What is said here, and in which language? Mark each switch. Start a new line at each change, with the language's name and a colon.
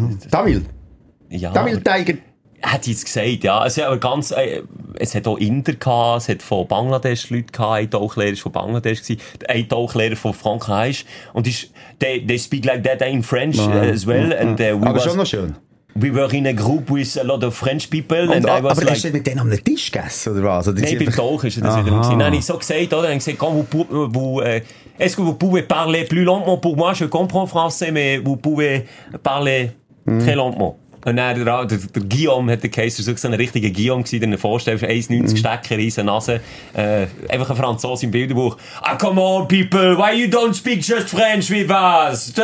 German: Tamil? Ja. Tamil Tiger. Hat sie es gesagt, ja. Es ist aber ganz es hat auch Inder gehabt, es hat von Bangladesch Leute gehabt, ein Tauchlehrer ist von Bangladesch gsi, ein Tauchlehrer von Frankreich, und ist,
English: they speak like that in French as well, and
German: aber schon noch schön.
English: We were in a group with a lot of French people.
German: Und,
English: and I was
German: aber
English: like,
German: hast du mit denen am Tisch gegessen, oder was? Nein, beim Tauch ist das wiederum gewesen. Dann habe ich so gesagt, oder? Dann habe ich gesagt,
French: quand vous, est-ce que vous pouvez parler plus lentement pour moi? Je comprends français, mais vous pouvez parler très lentement.
German: Und dann, der Guillaume hat den Kaiser so gesehen, ein richtiger Guillaume gewesen, den du vorstellst, 1,90 Stecker, riesen Nase, einfach ein Franzos im Bilderbuch.
English: Ah, come on, people, why you don't speak just French with us?